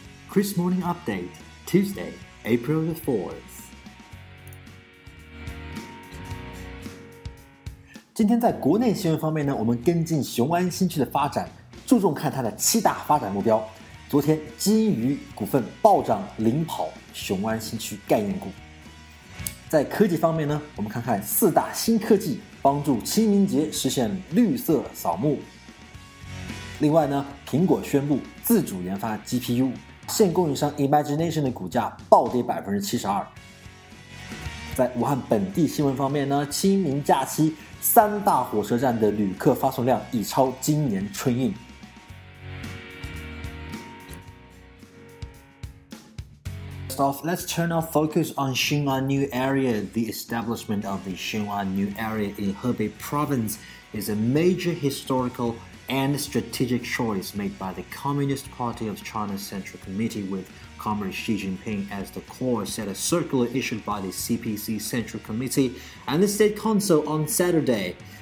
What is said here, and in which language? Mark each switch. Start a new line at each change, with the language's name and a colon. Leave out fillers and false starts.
English: Chris Morning Update Tuesday, April the 4th.
Chinese: 今天在国内新闻方面呢，我们跟进雄安新区的发展，注重看它的七大发展目标。昨天金鱼股份暴涨领跑雄安新区概念股。在科技方面呢，我们看看四大新科技帮助清明节实现绿色扫墓。另外呢，苹果宣布自主研发 GPU， 现供应商 Imagination 的股价暴跌 72%。在武汉本地新闻方面呢，清明假期三大火车站的旅客发送量已超今年春运。
English: Let's turn our focus on Xing'an New Area. The establishment of the Xing'an New Area in Hebei Province is a major historical and strategic choice made by the Communist Party of China's Central Committee with Comrade Xi Jinping as the core, said a circular issued by the CPC Central Committee and the State Council on Saturday.